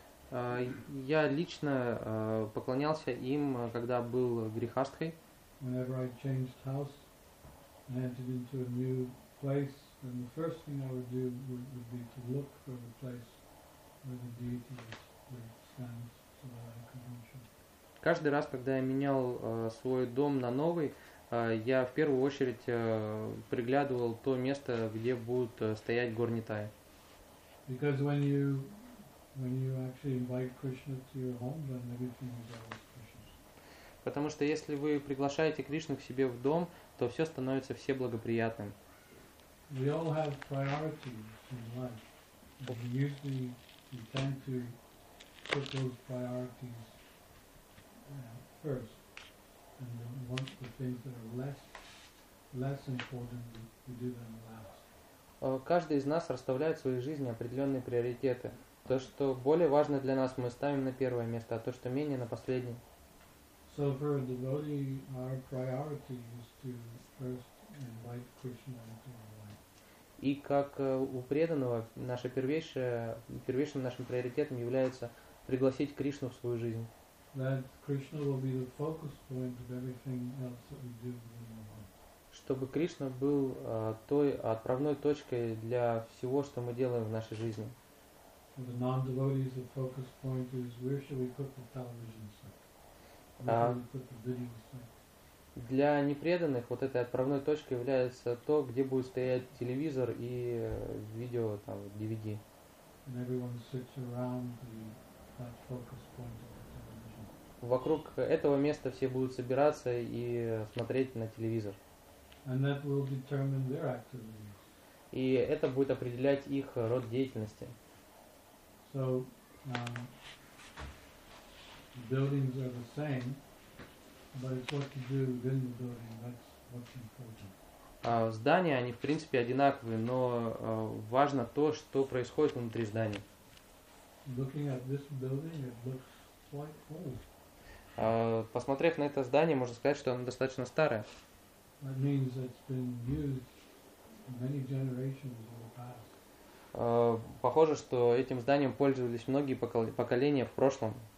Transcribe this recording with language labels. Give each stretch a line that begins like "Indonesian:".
Russian: Я лично поклонялся им, когда был грихастхой.
English: Whenever I changed house and entered into a new place, then the first thing I would do would be to look for the place where the deity stands so that I could worship.
Russian: Каждый раз, когда я менял свой дом на новый, я в первую очередь приглядывал то место, где будут стоять горнитай.
English: Because when you actually invite Krishna to your home, then everything is always Krishna.
Russian: Потому что если вы приглашаете Кришну к себе в дом, то все становится все благоприятным.
English: We all have priorities in life. And usually we tend to put those priorities first, and then once the things that are less important, we do them last.
Russian: Каждый из нас расставляет в своей жизни определенные приоритеты. То, что более важно для нас, мы ставим на первое место, а то, что менее, на последнее.
English: So for a devotee, our priority is to first invite Krishna into our life.
Russian: И как у преданного, первейшим нашим приоритетом является пригласить Кришну в свою жизнь.
English: That Krishna will be the focus point of everything else that we do in our life.
Russian: Чтобы Кришна был той отправной точкой для всего, что мы делаем в нашей жизни.
English: For the non-devotees, the focus point is where should we put the television set? Where should we put the video set?
Russian: Для непреданных вот этой отправной точкой является то, где будет стоять телевизор и видео там DVD.
English: And everyone sits around that focus point.
Russian: Вокруг этого места все будут собираться и смотреть на телевизор.
English: And that will determine their activities.
Russian: И это будет определять их род деятельности.
English: So, buildings are the same, but it's what you do within the building, that's what's important.
Russian: Здания, они в принципе одинаковые, но важно то, что происходит внутри здания.
English: Looking at this building, it looks quite old.
Russian: Посмотрев на это здание, можно сказать, что оно достаточно старое.
English: That means it's been used many generations in the past.
Russian: Похоже, что этим зданием пользовались многие поколения в прошлом.